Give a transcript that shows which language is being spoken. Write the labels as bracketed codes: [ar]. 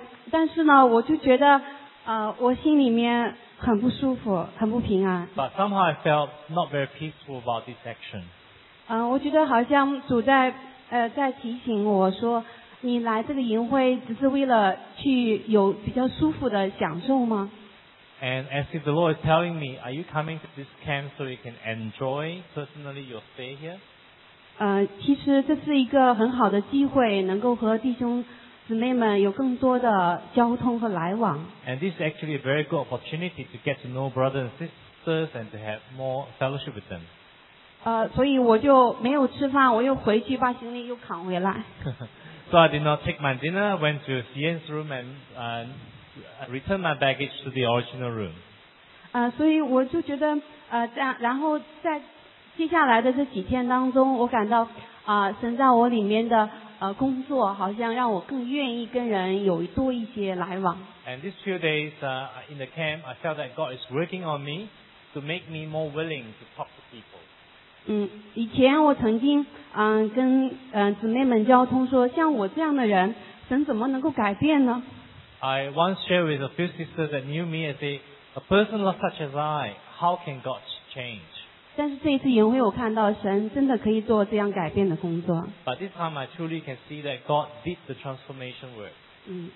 [zh] 但是呢，我就觉得，我心里面很不舒服，很不平安。 [en] But somehow I felt not very peaceful about this action. [zh] 我觉得好像主在提醒我说，你来这个营会只是为了去有比较舒服的享受吗？ [en] And as if the Lord is telling me, are you coming to this camp so you can enjoy personally your stay here? [zh] 其实这是一个很好的机会，能够和弟兄姊妹们有更多的交通和来往。 [en] And this is actually a very good opportunity to get to know brothers and sisters and to have more fellowship with them. [zh] 所以我就没有吃饭，我又回去把行李又扛回来。 [en] So I did not take my dinner, went to Xian's room and returned my baggage to the original room. [zh] 所以我就觉得，然后在接下来的这几天当中，我感到神在我里面的工作好像让我更愿意跟人有多一些来往。 [en] And these few days in the camp, I felt that God is working on me to make me more willing to talk to people. [zh] 以前我曾经跟姊妹们交通说，像我这样的人，神怎么能够改变呢？ [en] I once shared with a few sisters that knew me as a person such as I, how can God change? [zh] 但是这一次营会，我看到神真的可以做这样改变的工作。 [en] But this time I truly can see that God did the transformation work.